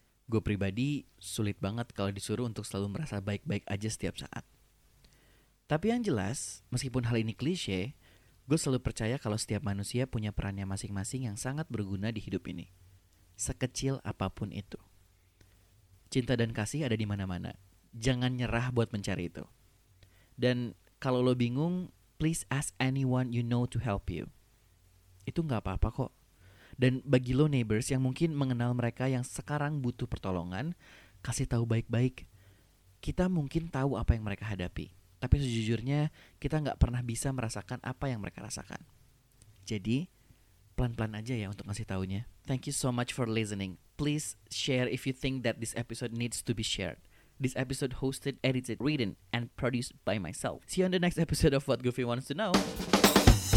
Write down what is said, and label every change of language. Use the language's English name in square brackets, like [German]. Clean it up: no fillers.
[Indonesian] Gue pribadi sulit banget kalau disuruh untuk selalu merasa baik-baik aja setiap saat. Tapi yang jelas, meskipun hal ini klise, gue selalu percaya kalau setiap manusia punya perannya masing-masing yang sangat berguna di hidup ini. Sekecil apapun itu. Cinta dan kasih ada di mana-mana. Jangan nyerah buat mencari itu. Dan kalau lo bingung, [English] please ask anyone you know to help you. [Indonesian] Itu gak apa-apa kok. Dan bagi lo neighbors yang mungkin mengenal mereka yang sekarang butuh pertolongan, kasih tahu baik-baik. Kita mungkin tahu apa yang mereka hadapi, tapi sejujurnya kita gak pernah bisa merasakan apa yang mereka rasakan. Jadi, pelan-pelan aja ya untuk ngasih taunya. [English] Thank you so much for listening. Please share if you think that this episode needs to be shared. This episode hosted, edited, written, and produced by myself. See you on the next episode of What Goofy Wants to Know.